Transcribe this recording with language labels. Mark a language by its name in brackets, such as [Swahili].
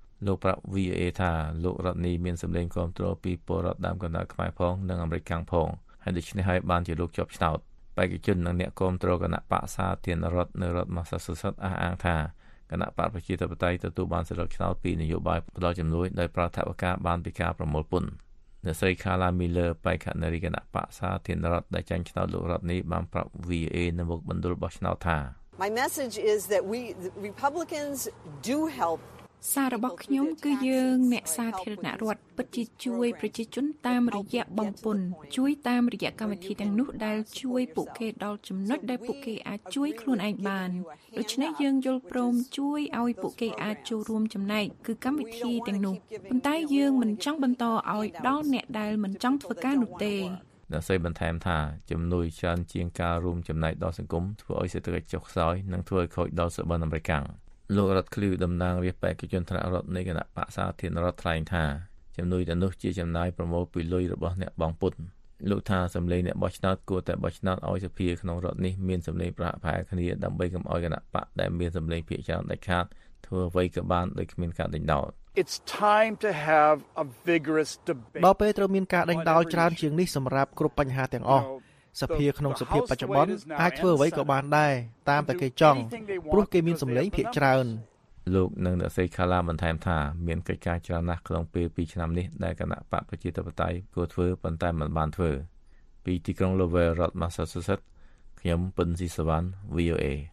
[Khmer] លោកប្រាប់ VA ថាលោករដ្ឋនេះមានសម្លេងគ្រប់គ្រងពីពលរដ្ឋដើមកណ្ដាលខ្មែរផងនិងអាមេរិកខាងផងហើយដូច្នេះហើយបានជាលោកជាប់ឆ្នោតបេក្ខជននិងអ្នកគ្រប់គ្រងគណៈបកសាធារណរដ្ឋនៅរដ្ឋ Massachusetts អះអាងថា គណៈបកប្រជាធិបតេយ្យទទួលបានសិទ្ធិឆ្នោតពីនយោបាយផ្ដល់ជំនួយដោយប្រតិបត្តិការបានពីការប្រមូលពន្ធអ្នកស្រីខាឡាមីលឺបេក្ខនារីគណៈបកសាធារណរដ្ឋដែលចាញ់ឆ្នោតលោករដ្ឋនេះបានប្រាប់ VA នៅមុខបណ្ឌលរបស់ឆ្នោតថា [English] My message is that we the Republicans do help [Khmer] សាររបស់ខ្ញុំគឺយើងអ្នកសាធារណរដ្ឋពិតជាជួយប្រជាជនតាមរយៈបំពន់ជួយតាមរយៈកម្មវិធីទាំងនោះដែលជួយពួកគេដល់ចំណុចដែលពួកគេអាចជួយខ្លួនឯងបានដូច្នេះយើងយល់ព្រមជួយឲ្យពួកគេអាចចូលរួមចំណែកគឺកម្មវិធីទាំងនោះប៉ុន្តែយើងមិនចង់បន្តឲ្យដល់អ្នកដែលមិនចង់ធ្វើការនោះទេ ដល់សេបន្ថែមថាជំនួយច្រើនជាងការរួមចំណែកដល់សង្គមធ្វើឲ្យសេដ្ឋកិច្ចចុះខ្សោយនិងធ្វើឲ្យខូចដល់សហបានអាមេរិកលោករដ្ឋក្លឿតំណាងរាស្ត្របេក្ខជនថ្នាក់រដ្ឋនៃគណៈបក្សសាធារណរដ្ឋថ្លែងថាជំនួយទាំងនោះជាចំណាយប្រមូលពីលុយរបស់អ្នកបងពុនលោកថាសម្លេងអ្នកបោះឆ្នោតគួរតែបោះឆ្នោតឲ្យសភាក្នុងរដ្ឋនេះមានសម្លេងប្រហាក់ប្រហែលគ្នាដើម្បីកុំឲ្យគណៈបកដែលមានសម្លេងភាគច្រើនដាច់ខាតធ្វើអ្វីក៏បានដោយគ្មានការដេញដោល [English] It's time to have a vigorous debate [Khmer] បើពេលត្រូវមានការដេញដោលច្រើនជាងនេះសម្រាប់គ្រប់បញ្ហាទាំងអស់សភាក្នុងសភាបច្ចុប្បន្នអាចធ្វើអ្វីក៏បានដែរតាមតែគេចង់ព្រោះគេមានសម្លេងភាគច្រើន លោកនឹងអ្នកសេខាឡាបន្ថែមថាមានកិច្ចការច្រើនណាស់ក្នុងពេល2ឆ្នាំនេះដែលគណៈបកប្រជាធិបតេយ្យគួរធ្វើប៉ុន្តែមិនបានធ្វើពីទីក្រុង Lowell Road Massachusetts ខ្ញុំពិនស៊ីសវណ្ណ VOA